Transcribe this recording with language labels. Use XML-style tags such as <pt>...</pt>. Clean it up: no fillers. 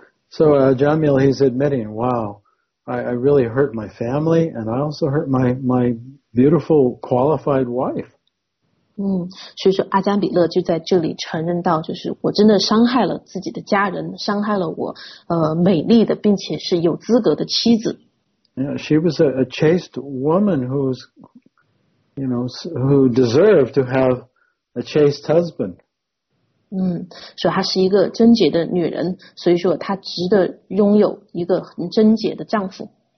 <en>So, Jamil, he's admitting, wow, I really hurt my family, and I also hurt my beautiful qualified wife.</en> <zh>所以说阿加比勒就在这里承认到，就是我真的伤害了自己的家人，伤害了我美丽的并且是有资格的妻子。</zh> <en>Yeah, she was a chaste woman who's, you know, who deserved to have a chaste husband.</en> <zh>所以她是一个贞洁的女人，所以说她值得拥有一个很贞洁的丈夫。</zh>